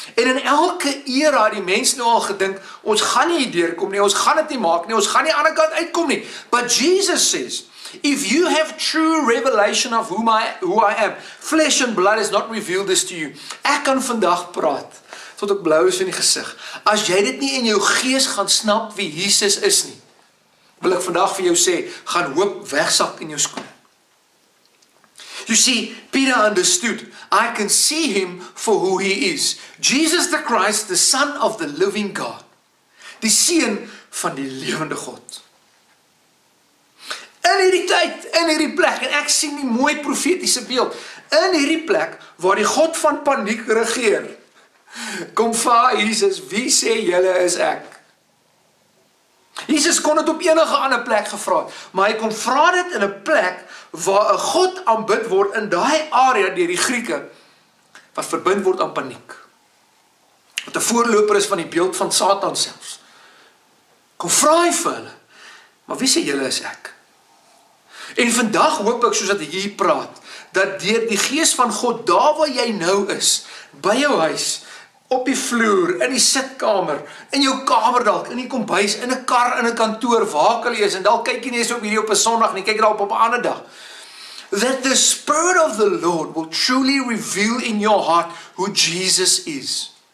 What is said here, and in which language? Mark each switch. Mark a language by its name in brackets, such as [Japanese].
[Afrikaans] En in elke era die mens nou al gedink, ons gaan nie deurkom nie, ons gaan het nie maak nie, ons gaan nie aan die kant uitkom nie. [English] But Jesus says, if you have true revelation of who I am, flesh and blood has not revealed this to you. [Afrikaans] Ek kan vandag praat, tot ek blauw is in die gezicht. As jy dit nie in jou gees gaan snap wie Jesus is nie, wil ek vandag vir jou sê, gaan hoop wegsak in jou skoen. [English] You see, Peter understood, I can see him for who he is. Jesus the Christ, the Son of the living God. [Afrikaans] Die Seun van die lewende God. In hierdie tyd, in hierdie plek, en ek sien die mooie profetiese beeld, in hierdie plek, waar die God van paniek regeer, kom vir Jesus, wie sê julle is ek? Jesus kon het op enige ander plek gevra, maar hy kon vra dit in een plek, waar een God aanbid word, in die area, dier die Grieke, wat verbind word aan paniek, wat een voorloper is van die beeld van Satan selfs, kom vra hy vir hulle, maar wie sê julle is ek? En vandag hoop ek, soos dat jy praat, dat deur die gees van God, daar waar jy nou is, by jou huis, op die vloer, in die sitkamer, in jou kamerdalk, in die kombuis, in die kar, in die kantoor, waar ek al is, en dan kyk jy nie eens op hierdie op een sondag, nie kyk daar op ander dag, [English] that the Spirit of the Lord will truly reveal in your heart who Jesus is.